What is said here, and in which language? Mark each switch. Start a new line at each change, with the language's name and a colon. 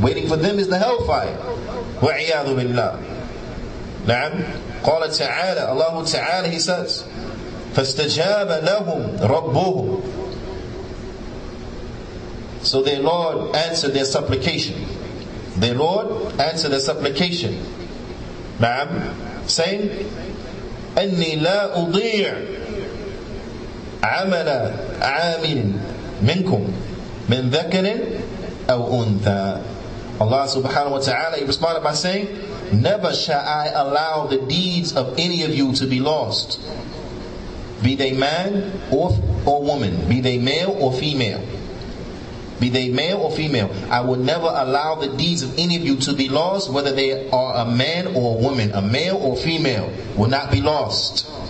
English: Waiting for them is the hellfire.
Arabic: وَعِيَاذُ بِاللَّهِ. نعم. قال تعالى, الله تعالى,
English: He says,
Arabic: فَاسْتَجَابَ لَهُمْ رَبُّهُمْ.
English: So their Lord answered their supplication. Their Lord answered their supplication. Ma'am? Same?
Arabic: أني لا أضيع عمل عامل منكم من ذكر أو أنثى.
English: Allah subhanahu wa ta'ala, he responded by saying, never shall I allow the deeds of any of you to be lost, be they man or woman, be they male or female. Be they male or female, I will never allow the deeds of any of you to be lost, whether they are a man or a woman, a male or female, will not be lost.